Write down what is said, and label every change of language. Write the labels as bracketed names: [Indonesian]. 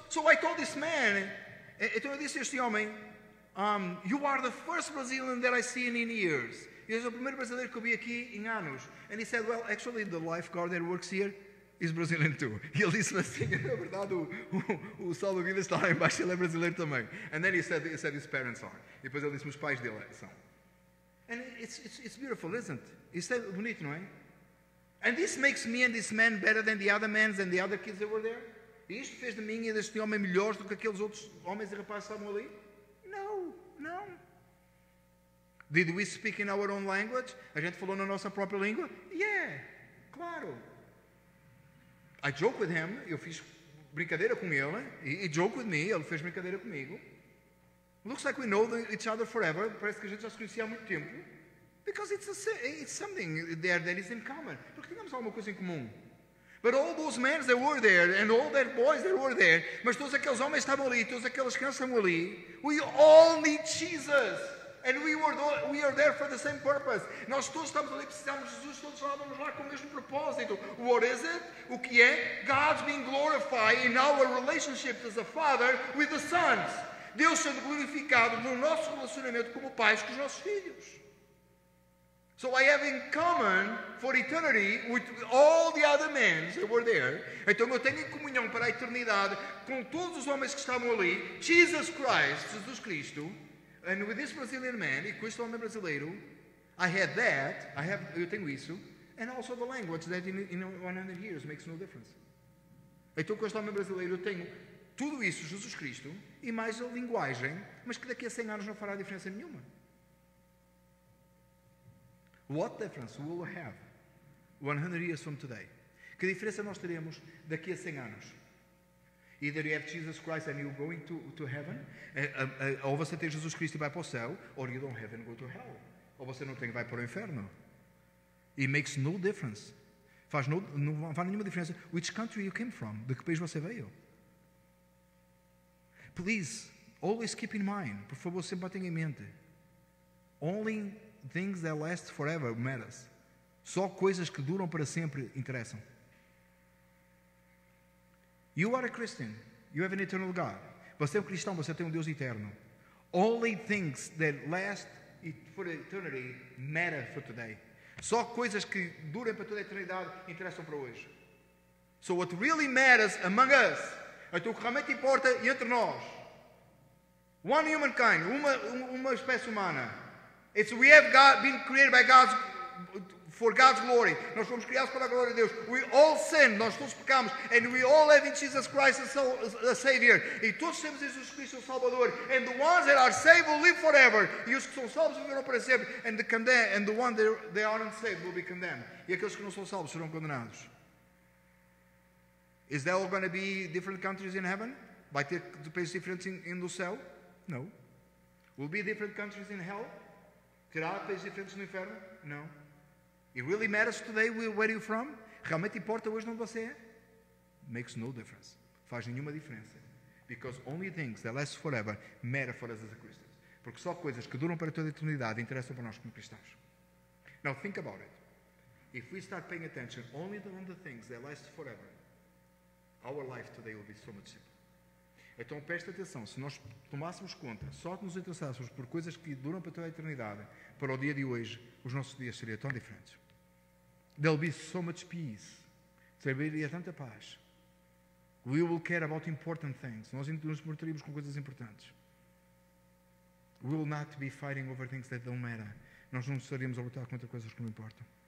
[English] So I told this man, [Portuguese] então eu disse a este homem, [English] you are the first Brazilian that I seen in years. [Portuguese] Ele é o primeiro brasileiro que eu vi aqui em anos. [English] And he said, well, actually, the lifeguard that works here is Brazilian too. [Portuguese] E ele disse assim, na verdade, o salva-vidas está lá embaixo, ele é brasileiro também. [English] And then he said his parents are. [Portuguese] E depois ele disse, os pais dele são. [English] And it's beautiful, isn't it? [Portuguese] Isso é bonito, não é? [English] And this makes me and this man better than the other men and the other kids that were there? [Portuguese] E isto fez de mim e deste homem melhores do que aqueles outros homens e rapazes que estavam ali? Não. [English] Did we speak in our own language? [Portuguese] A gente falou na nossa própria língua? [English] Yeah, claro. I joke with him. [Portuguese] Eu fiz brincadeira com ele. [English] He joke with me. [Portuguese] Ele fez brincadeira comigo. [English] Looks like we know each other forever. [Portuguese] Parece que a gente já se conhecia há muito tempo. [English] Because it's something there that is in common. [Portuguese] Porque tínhamos alguma coisa em comum. [English] But all those men that were there, and all that boys that were there, [Portuguese] mas todos aqueles homens estavam ali, [English] todos aqueles crianças estavam ali, we all need Jesus. And we are there for the same purpose. [Portuguese] Nós todos estamos ali, precisamos de Jesus, todos estávamos lá com o mesmo propósito. [English] What is it? [Portuguese] O que é? [English] God's being glorified in our relationship as a father with the sons. [Portuguese] Deus sendo glorificado no nosso relacionamento como pais com os nossos filhos. [English] So I have in common for eternity with all the other men that were there. [Portuguese] Então eu tenho em comunhão para a eternidade com todos os homens que estavam ali. [English] Jesus Christ, Jesus Cristo. And with this Brazilian man, [Portuguese] e com este homem brasileiro, [English] I had that, [Portuguese] eu tenho isso, [English] and also the language that in 100 years makes no difference. [Portuguese] Então com este homem brasileiro eu tenho tudo isso, Jesus Cristo, e mais a linguagem, mas que daqui a 100 anos não fará diferença nenhuma. [English] What difference will we have 100 years from today? [Portuguese] Que diferença nós teremos daqui a 100 anos? [English] Either you have Jesus Christ and you're going to heaven, [Portuguese] ou você tem Jesus Cristo e vai para o céu, [English] or you don't have and go to hell. [Portuguese] Ou você não tem e vai para o inferno. [English] It makes no difference. [Portuguese] Não faz nenhuma diferença. [English] Which country you came from? [Portuguese] De que país você veio? [English] Please, always keep in mind, [Portuguese] por favor, sempre tenha em mente, [English] Only things that last forever matters. [Portuguese] Só coisas que duram para sempre interessam. [English] You are a Christian. You have an eternal God. [Portuguese] Você é um cristão, você tem um Deus eterno. [English] Only things that last for eternity matter for today. [Portuguese] Só coisas que durem para toda a eternidade interessam para hoje. [English] So what really matters among us, [Portuguese] então o que realmente importa entre nós, [English] one humankind, [Portuguese] uma espécie humana, [English] it's we have God, been created by God's, for God's glory. [Portuguese] Nós fomos criados para a glória de Deus. [English] We all sin, [Portuguese] nós todos pecamos, [English] and we all have in Jesus Christ a Savior. [Portuguese] E todos temos Jesus Cristo o Salvador. [English] And the ones that are saved will live forever. [Portuguese] E os que são salvos viverão para sempre. [English] And the condemned, and the one that they aren't saved will be condemned. [Portuguese] E aqueles que não são salvos serão condenados. [English] Is there all going to be different countries in heaven? [Portuguese] Vai ter países diferentes in no céu? [English] No. Will be different countries in hell? [Portuguese] Terá países diferentes no inferno? No. [English] It really matters today where are you from? [Portuguese] Realmente importa hoje onde você é? [English] Makes no difference. [Portuguese] Faz nenhuma diferença. [English] Because only things that last forever matter for us as Christians. [Portuguese] Porque só coisas que duram para toda a eternidade interessam para nós como cristãos. [English] Now think about it. If we start paying attention only to the things that last forever, our life today will be so much simpler. [Portuguese] Então preste atenção, se nós tomássemos conta, só que nos interessássemos por coisas que duram para toda a eternidade, para o dia de hoje, os nossos dias seriam tão diferentes. [English] There will be so much peace. [Portuguese] Seria tanta paz. [English] We will care about important things. [Portuguese] Nós nos importaríamos com coisas importantes. [English] We will not be fighting over things that don't matter. [Portuguese] Nós não estaríamos a lutar contra coisas que não importam.